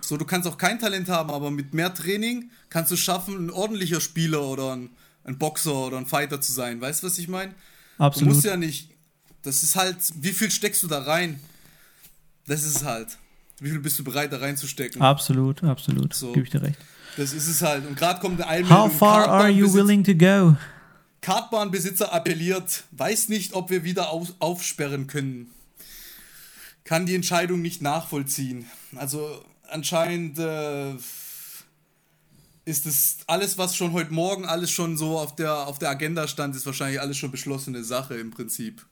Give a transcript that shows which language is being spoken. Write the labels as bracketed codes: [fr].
[de] So, du kannst auch kein Talent haben, aber mit mehr Training kannst du es schaffen, ein ordentlicher Spieler oder ein Boxer oder ein Fighter zu sein. Weißt du, was ich meine? Absolut. Du musst ja nicht, das ist halt, wie viel steckst du da rein? Das ist halt, wie viel bist du bereit, da reinzustecken? Absolut, absolut, so. Gebe ich dir recht. Das ist es halt. Und gerade kommt der Allmann. [en] How far are you willing to go? [de] Kartbahnbesitzer appelliert, weiß nicht, ob wir wieder aufsperren können. kann die Entscheidung nicht nachvollziehen. Also anscheinend ist das alles, was schon heute Morgen alles schon so auf der Agenda stand, ist wahrscheinlich alles schon beschlossene Sache im Prinzip.